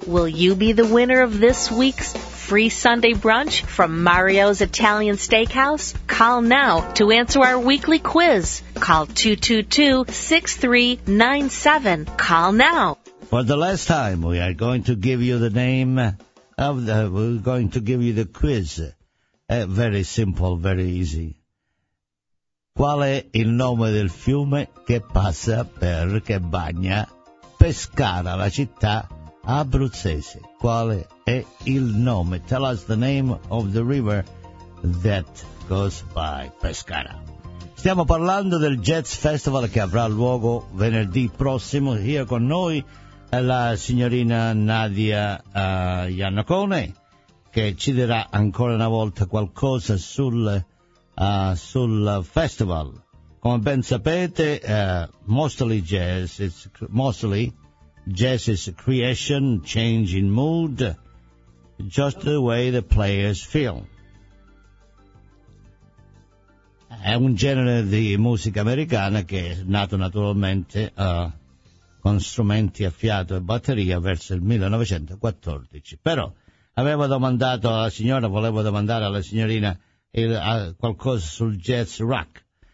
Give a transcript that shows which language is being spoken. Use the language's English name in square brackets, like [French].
[English] You be the winner of this week's free Sunday brunch from Mario's Italian Steakhouse? Call now to answer our weekly quiz. Call 222-6397. Call now. For the last time, we are going to give you the name of the, we're going to give you the quiz. Very simple, very easy. [Italian] Qual è il nome del fiume che passa per, che bagna Pescara, la città abruzzese? Quale è il nome? [English] Tell us the name of the river that goes by Pescara. [Italian] Stiamo parlando del Jazz Festival che avrà luogo venerdì prossimo. [English] Here [Italian] con noi la signorina Nadia Iannacone, che ci dirà ancora una volta qualcosa sul festival. Come ben sapete, [English] mostly jazz, it's mostly Jesse's creation, change in mood, just the way the players feel. [Italian] È un genere di musica americana che è nato naturalmente con strumenti a fiato e batteria verso il 1914. Però avevo domandato alla signora, volevo domandare alla signorina qualcosa sul jazz rock.